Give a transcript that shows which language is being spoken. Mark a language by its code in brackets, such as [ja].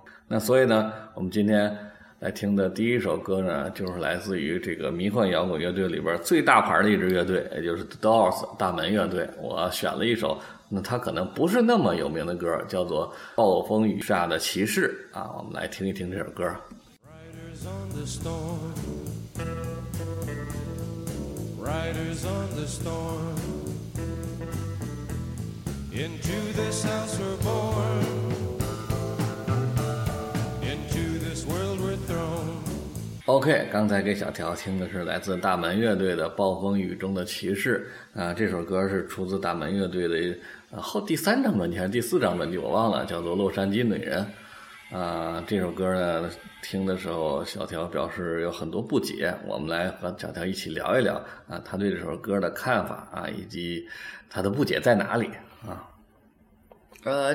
[zh] 那所以呢，我们今天来听的第一首歌呢，就是来自于这个迷幻摇滚乐队里边最大牌的一支乐队，也就是 The Doors 大门乐队。我选了一首那他可能不是那么有名的歌，叫做暴风雨下的骑士啊，我们来听一听这首歌。 [en] On the storm, riders on the storm, into this house we're born, into this world we're thrown. [zh] OK, 刚才给小条听的是来自大门乐队的《暴风雨中的骑士》啊，这首歌是出自大门乐队的后第三张专辑还是第四张专辑，我忘了，叫做《洛杉矶女人》。这首歌呢听的时候小条表示有很多不解，我们来和小条一起聊一聊他对这首歌的看法以及他的不解在哪里啊。